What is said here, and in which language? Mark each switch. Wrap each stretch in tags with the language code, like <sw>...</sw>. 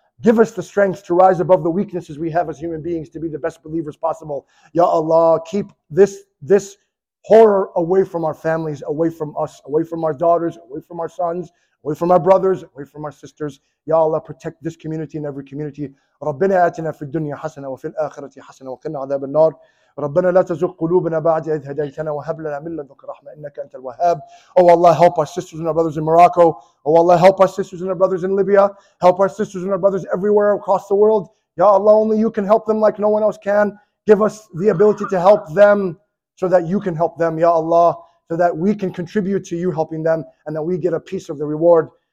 <en>Give us the strength to rise above the weaknesses we have as human beings to be the best believers possible. Ya Allah, keep this horror away from our families, away from us, away from our daughters, away from our sons, away from our brothers, away from our sisters. Ya Allah, protect this community and every community.</en> <ar>ربنا آتنا في الدنيا حسنة وفي الآخرة حسنة وقنا عذاب النار. ربنا لا تزغ قلوبنا بعد إذ هديتنا وهب لنا من لدنك رحمة إنك أنت الوهاب.</ar> <en>Oh Allah, help our sisters and our brothers in Morocco. Oh Allah, help our sisters and our brothers in Libya. Help our sisters and our brothers everywhere across the world. Ya Allah, only you can help them like no one else can. Give us the ability to help them so that you can help them, Ya Allah, so that we can contribute to you helping them and that we get a piece of the reward.</en>